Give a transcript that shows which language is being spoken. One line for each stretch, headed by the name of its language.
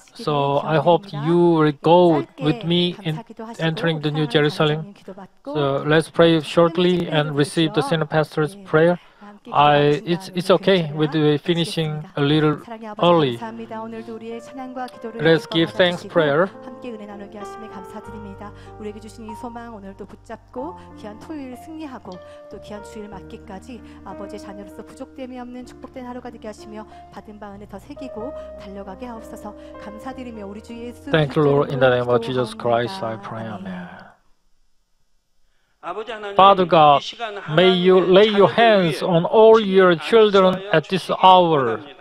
English: So I hope you will go with me in entering the New Jerusalem. So let's pray shortly and receive the senior pastor's prayer. It's okay with finishing a little early. Let's give thanks prayer.
Korean: 함께 은혜 나누게 하심에 감사드립니다. 우리에게 주신 이 소망 오늘도 붙잡고 귀한 토요일 승리하고 또 귀한 주일 맞기까지 아버지의 자녀로서 부족됨이 없는 축복된 하루가 되게 하시며 받은 바 은혜 더 새기고 달려가게 하옵소서. 감사드리며 우리 주 예수
English: Thank you Lord in the name of Jesus Christ I pray. Amen. Father God, may you lay your hands on all your children at this hour.